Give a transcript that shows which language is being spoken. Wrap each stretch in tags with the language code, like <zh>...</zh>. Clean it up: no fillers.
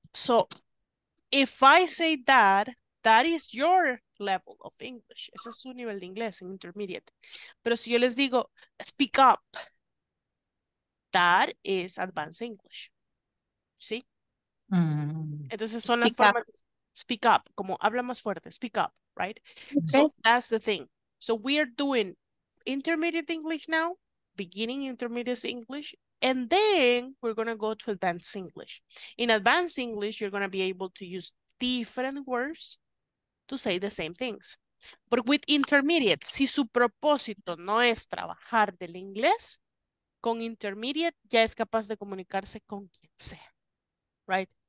<en>So, if I say that, that is your level of English.</en> <es>Eso es su nivel de inglés en intermediate.</es> <en>Pero si yo les digo,</en> <es>speak up, that is advanced English. ¿Sí? Mm. Entonces son las formas de</es> <en>speak up,</en> <es>como habla más fuerte, speak up, right?</es> <en>Okay. So that's the thing. So we are doing intermediate English now, beginning intermediate English, and then we're going to go to advanced English. In advanced English, you're going to be able to use different words to say the same things. But with</en> <es>intermediate, si su propósito no es trabajar del inglés, con intermediate ya es capaz de comunicarse con quien sea, right?</es>